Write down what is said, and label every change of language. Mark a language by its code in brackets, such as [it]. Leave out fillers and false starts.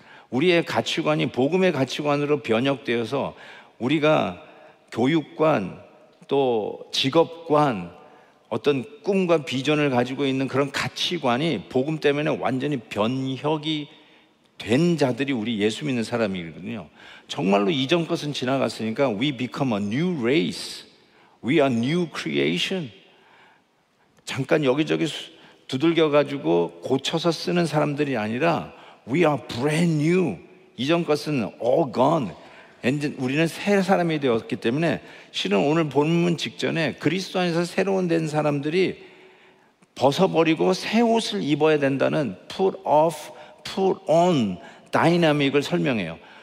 [ko] 우리의 가치관이 복음의 가치관으로 변혁되어서 우리가 교육관 또 직업관 어떤 꿈과 비전을 가지고 있는 그런 가치관이 복음 때문에 완전히 변혁이 된 자들이 우리 예수 믿는 사람이거든요. 정말로 이전 것은 지나갔으니까 [en] We become a new race. We are new creation. [ko] 잠깐 여기저기 두들겨가지고 고쳐서 쓰는 사람들이 아니라 [en] We are brand new. [ko] 이전 것은 [en] all gone. [ko] 우리는 새 사람이 되었기 때문에 실은 오늘 본문 직전에 그리스도 안에서 새로운 된 사람들이 벗어버리고 새 옷을 입어야 된다는 put off, put on 다이나믹을 설명해요.